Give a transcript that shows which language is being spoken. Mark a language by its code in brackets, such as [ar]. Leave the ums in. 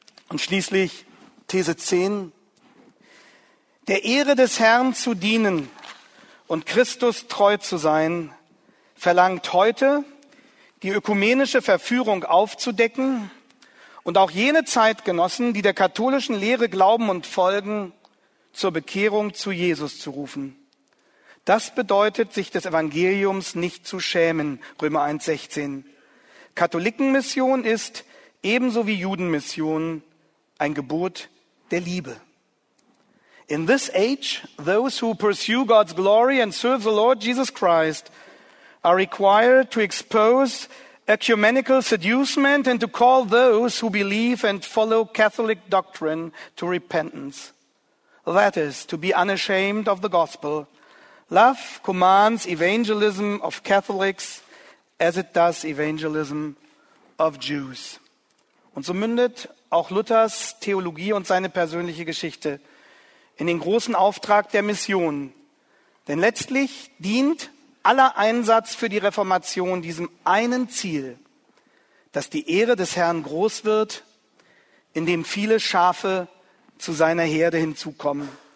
[de] Und schließlich These 10. Der Ehre des Herrn zu dienen und Christus treu zu sein, verlangt heute, die ökumenische Verführung aufzudecken und auch jene Zeitgenossen, die der katholischen Lehre glauben und folgen, zur Bekehrung zu Jesus zu rufen. Das bedeutet, sich des Evangeliums nicht zu schämen, Römer 1.16. Katholikenmission ist, ebenso wie Judenmission, ein Gebot der Liebe. [en] In this age, those who pursue God's glory and serve the Lord Jesus Christ are required to expose ecumenical seducement and to call those who believe and follow Catholic doctrine to repentance. That is, to be unashamed of the gospel Love commands evangelism of Catholics as it does evangelism of Jews. [de] Und so mündet auch Luthers Theologie und seine persönliche Geschichte in den großen Auftrag der Mission. Denn letztlich dient aller Einsatz für die Reformation diesem einen Ziel, dass die Ehre des Herrn groß wird, indem viele Schafe zu seiner Herde hinzukommen.